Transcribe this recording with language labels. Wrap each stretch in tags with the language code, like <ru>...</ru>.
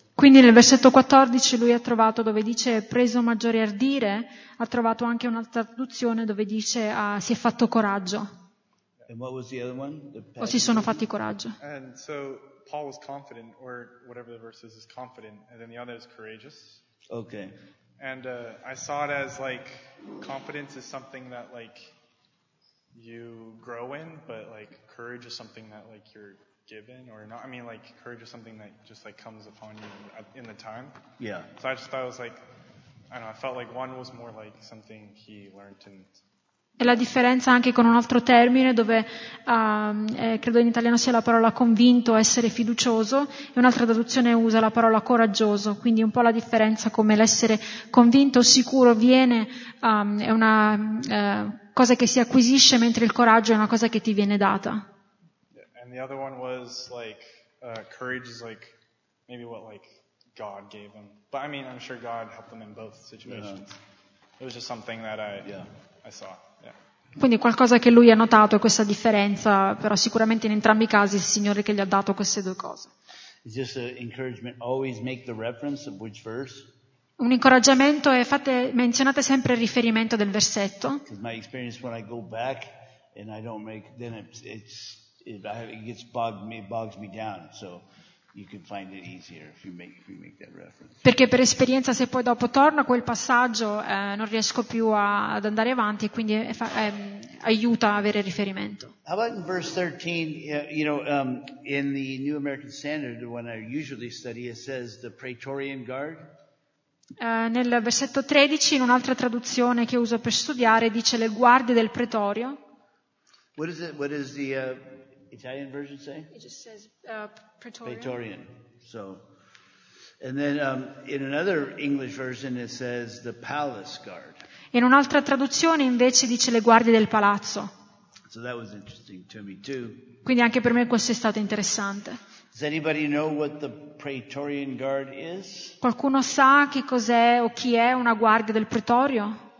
<it>Quindi nel versetto 14 lui ha trovato dove dice preso maggiore ardire, ha trovato anche un'altra traduzione dove dice si è fatto coraggio.</it> <en>And what was the other one? The</en> <it>o si sono fatti coraggio.</it> <en>And so Paul was confident, or whatever the verse is confident, and then the other is courageous. Okay. And I saw it as like confidence is something that like you grow in, but like courage is something that like you're given or not. I mean, like courage is something that just like comes upon you in the time. Yeah. So I just thought it was like, I don't know, I felt like one was more like something he learned. And...</en> <it>E la differenza anche con un altro termine dove credo in italiano sia la parola convinto, essere fiducioso, e un'altra traduzione usa la parola coraggioso. Quindi un po' la differenza come l'essere convinto, sicuro viene è una cosa che si acquisisce, mentre il coraggio è una cosa che ti viene data.</it> <en>And the other one was like courage is like maybe what like God gave him. But I mean, I'm sure God helped them in both situations. Yeah. It was just something that I saw. Yeah.</en> <it>Quindi qualcosa che lui ha notato è questa differenza, però sicuramente in entrambi i casi è il Signore che gli ha dato queste due cose.</it> <en>It's just an encouragement, always make the reference of which verse.</en> <it>Un incoraggiamento è menzionate sempre il riferimento del versetto.</it> <en>Because my experience when I go back and I don't make then it's bogs me down, so you can find it easier if you make that reference.</en> <it>Perché per esperienza se poi dopo torno a quel passaggio non riesco più ad andare avanti, quindi aiuta a avere riferimento.</it> <en>How about in verse 13? You know, in the New American Standard, when I usually study, it says the Praetorian Guard.</en> <it>Nel versetto 13, in un'altra traduzione che uso per studiare, dice le guardie del pretorio.</it> <en>What is it? What is the Italian version say? It just says Praetorian. Praetorian. So, and then in another English version it says the palace guard.</en> <it>In un'altra traduzione invece dice le guardie del palazzo.</it> <en>So that was interesting to me too.</en> <it>Quindi anche per me questo è stato interessante.</it> <en>Does anybody know what the Praetorian Guard is?</en> <it>Qualcuno sa che cos'è o chi è una guardia del pretorio?</it>